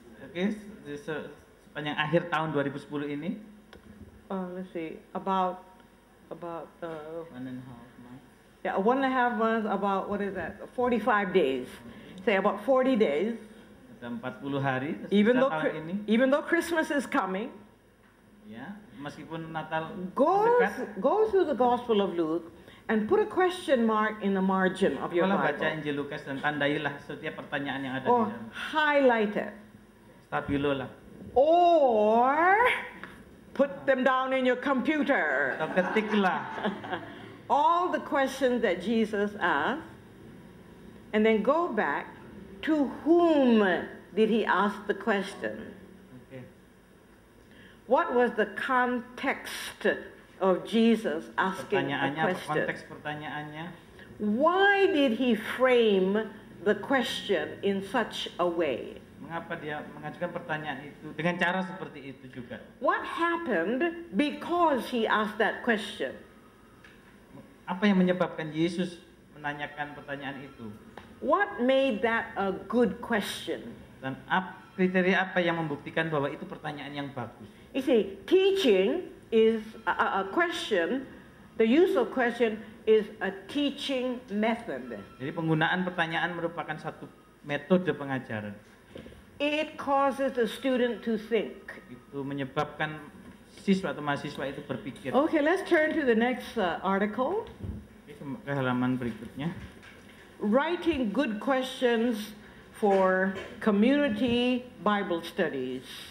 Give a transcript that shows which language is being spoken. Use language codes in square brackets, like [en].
[id] Okay, sepanjang akhir tahun 2010 ini. [en] Let's see, about. One and a half months. Yeah, one and a half months, about, what is that, 45 days. Say about 40 days. [id] Ada 40 hari sejak tahun ini. [en] Even though Christmas is coming. [id] Yeah, meskipun Natal dekat. [en] Go through the Gospel of Luke and put a question mark in the margin of your Bible. [id] Kalau baca Injil Lukas dan tandailah setiap pertanyaan yang ada di dalam. [en] Or highlight it. [id] Stabilo lah. [en] Or put them down in your computer. [id] Atau ketiklah. [en] All the questions that Jesus asked, and then go back to whom did he ask the question? Okay. What was the context of Jesus asking the question? [id] Konteks pertanyaannya. [en] Why did he frame the question in such a way? [id] Mengapa dia mengajukan pertanyaan itu dengan cara seperti itu juga? [en] What happened because he asked that question? [id] Apa yang menyebabkan Yesus menanyakan pertanyaan itu? [en] What made that a good question? [id] Dan kriteria apa yang membuktikan bahwa itu pertanyaan yang bagus? [en] You see, teaching is a question. The use of question is a teaching method. [id] Jadi penggunaan pertanyaan merupakan satu metode pengajaran. [en] It causes the student to think. [id] Itu menyebabkan siswa atau mahasiswa itu berpikir. [en] Okay, let's turn to the next article. [id] Ke halaman berikutnya. [en] Writing good questions for community Bible studies.